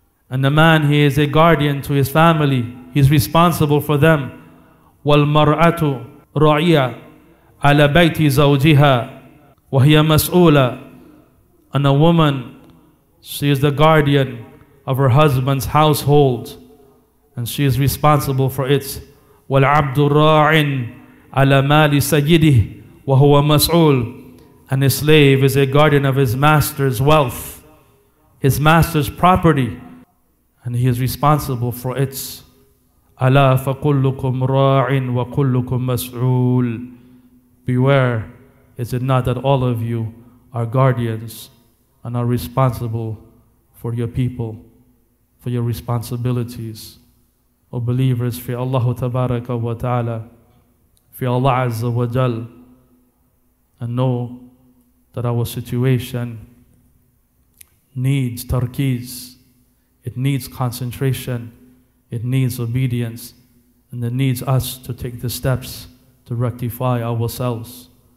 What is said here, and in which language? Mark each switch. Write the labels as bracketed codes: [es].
[en] And the man, he is a guardian to his family. He is responsible for them. [ar] وَالْمَرْأَةُ رَعِيَةٌ عَلَىٰ بَيْتِ زَوْجِهَا وَهِيَ مَسْؤُولَةٌ. [en] And a woman, she is the guardian of her husband's household, and she is responsible for it. [ar] والعبد راع على مال سيده وهو مسؤول. [en] And his slave is a guardian of his master's wealth, his master's property, and he is responsible for it. [ar] ألا فكلكم راع وكلكم مسؤول. [en] Beware is it not that all of you are guardians and are responsible for your people, for your responsibilities? O believers, fi Allah tabaraka wa ta'ala, fi Allah azza wa jal, and know that our situation needs tarkiz, it needs concentration, it needs obedience, and it needs us to take the steps to rectify ourselves.